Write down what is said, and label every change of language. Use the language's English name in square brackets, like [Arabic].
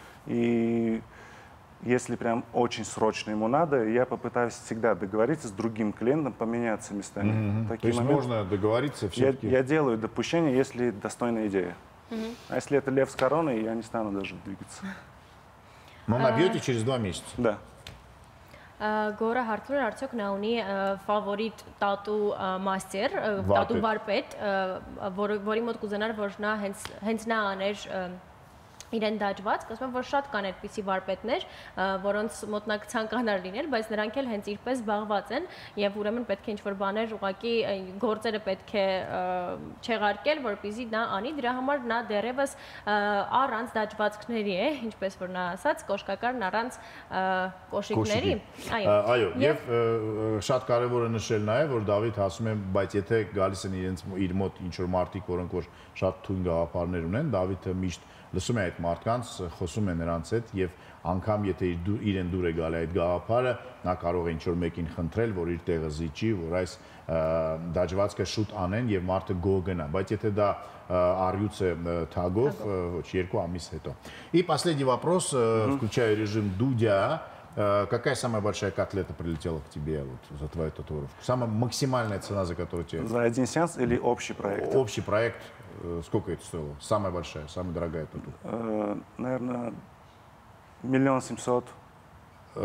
[Russian] И если прям очень срочно ему надо, я попытаюсь всегда договориться с другим клиентом, поменяться местами. Такие то есть моменты... можно договориться все-таки? Я делаю допущение, если достойная идея. А если это лев с короной, я не стану даже двигаться. Но набьете через 2 месяца? Да. [Armenian] Գորը հարցրել է արդյոք նա ունի ֆավորիտ տատու մաստեր, տատու վարպետ, որի մոտ կուզենար, որ նա հենց նա աներ իրեն դաջված, ասում են, որ շատ կան այդպիսի վարպետներ, որոնց մոտ նա ցանկանար լինել, բայց նրանք էլ հենց իրպես զբաղված են, և ուրեմն պետք է ինչ-որ բաներ ուղղակի գործերը պետք է չեղարկել, որպեսզի նա անի, դրա համար նա դեռևս առանց դաջվածքների է, ինչպես որ նա ասաց, կոշկակարն առանց կոշիկների. Այո, և շատ կարևոր է նշել նաև, որ Դավիթ ասում է, բայց եթե գալիս են իրենց իր մոտ ինչ-որ մարդիկ, որոնք որ շատ թույն գաղափարներ ունեն, Դավիթը միշտ լսում է այդ մարդկանց, խոսում է նրանց հետ, և անգամ եթե իրեն դուր է գալի այդ գաղափարը, նա կարող է ինչ-որ մեկին խնդրել, որ իր տեղը զիջի, որ այս դաջվածքը շուտ անեն և մարդը գոհ գնա, բայց եթե դա առյուծ է թագով, ոչ, 2 ամիս հետո. [Russian] И последний вопрос, включая режим Дудя, какая самая большая котлета прилетела к тебе вот за твою татуировку? Самая максимальная цена, за которую тебе... За один сеанс или общий проект? Общий проект. Сколько это стоило? Самая большая, самая дорогая тату? Наверное, 1 700 000.